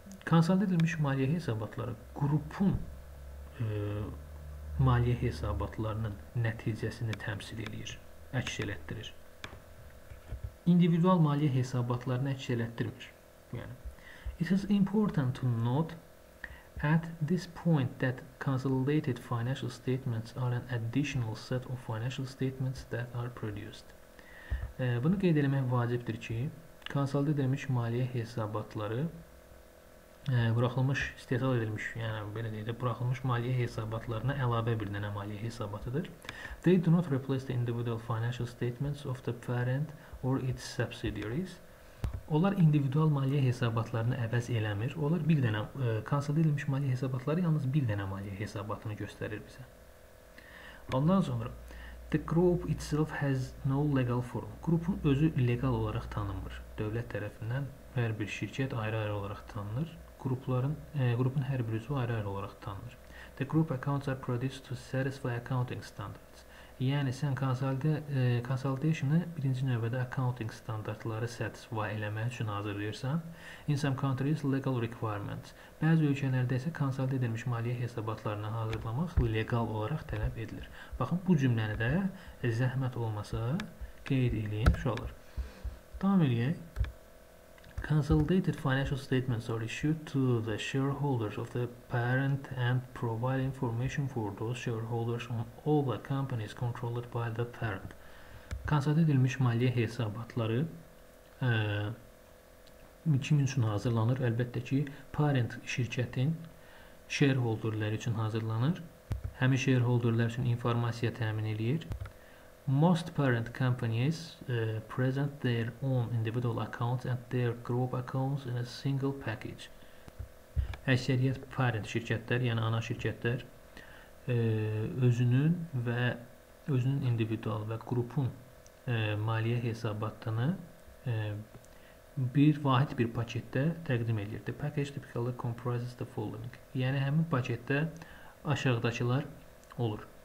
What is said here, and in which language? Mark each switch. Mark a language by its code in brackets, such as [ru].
[az] Konsolid edilmiş maliyyə hesabatları qrupun maliyyə hesabatlarının nəticəsini təmsil edir, əks elətdirir. İndividual maliyyə hesabatlarını əks elətdirmir. [en] Yəni, it is important to note at this point that consolidated financial statements are an additional set of financial statements that are produced. [az] Bunu qeyd eləmək vacibdir ki, konsolid edilmiş maliyyə hesabatları buraxılmış, istehsal edilmiş, yəni belə deyək də, buraxılmış maliyyə hesabatlarına əlavə bir dənə maliyyə hesabatıdır. [en] They do not replace the individual financial statements of the parent or its subsidiaries. [az] Onlar individual maliyyə hesabatlarını əvəz eləmir. Onlar bir dənə konsolid edilmiş maliyyə hesabatları yalnız bir dənə maliyyə hesabatını göstərir bizə. Ondan sonra [en] the group itself has no legal form. [az] Qrupun özü legal olaraq tanınmır. Dövlət tərəfindən Hər bir şirkət ayrı-ayrı olaraq tanınır. Qrupun hər bir üzvü ayrı-ayrı olaraq tanınır. [en] The group accounts are produced to satisfy accounting standards. [az] Yəni sən consolidation-ı birinci növbədə accounting standartları satisfy eləmək üçün hazırlayırsan. [en] In some countries legal requirements. [az] Bəzi ölkələrdə isə konsolide edilmiş maliyyə hesabatlarını hazırlamaq legal olaraq tələb edilir. Baxın bu cümləni də zəhmət olmasa qeyd edin, şolar. Tam eləyək. [en] Consolidated financial statements are issued to the shareholders of the parent and provide information for those shareholders on all the companies controlled by the parent. [az] Konsolide edilmiş maliyyə hesabatları kim üçün hazırlanır? Əlbəttə ki, parent şirkətin shareholderları üçün hazırlanır. Həmin shareholderlar üçün informasiya təmin edir. [en] Most parent companies present their own individual accounts and their group accounts in a single package. [az] Əksəriyyət parent şirkətlər, yəni ana şirkətlər özünün individual və qrupun maliyyə hesabatını bir vahid bir paketdə təqdim edir. [en] The package typically comprises the following. [az] Yəni həmin paketdə aşağıdakılar olur.